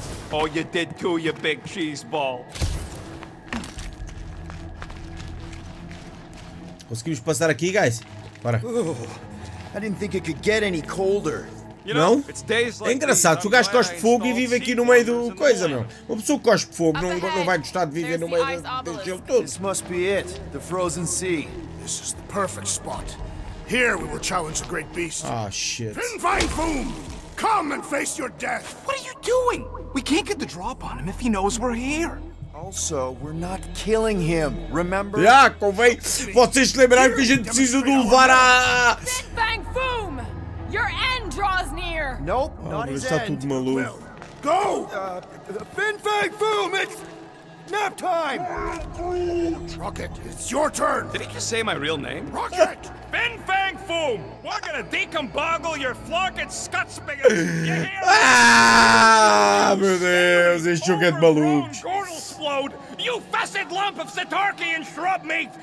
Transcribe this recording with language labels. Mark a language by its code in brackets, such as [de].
[en] Oh, you did too, you big cheese ball. [pt] Conseguimos passar aqui, guys? Bora. [en] Oh, I didn't think it could get any colder. [pt] Não? É engraçado, se o gajo cospe fogo e vive aqui no meio do coisa, meu. Uma pessoa que cospe fogo não vai gostar de viver no meio do gelo todo. [en] This must be it, the frozen sea. This is the perfect spot. Here we will challenge the great beast. Ah, shit. Fing Fang Foom! Come and face your death! What are you doing? We can't get the drop on him if he knows we're here. Also, we're not killing him, remember? [pt] Yeah, convém. Vocês lembraram que a gente precisa de levar a... [en] Fing Fang Foom! Your end draws near! Nope, not his end. [pt] Está tudo maluco. [en] Well, go! Fing Fang Foom, it's... nap time! Rocket, it's your turn! Did he just say my real name? Rocket! Fing Fang Foom! We're gonna decomboggle your flock and scut spigot! You hear me? [pt] Ah, meu Deus, este jogo é de maluco. [en] You fessed lump of satarki and shrub meat!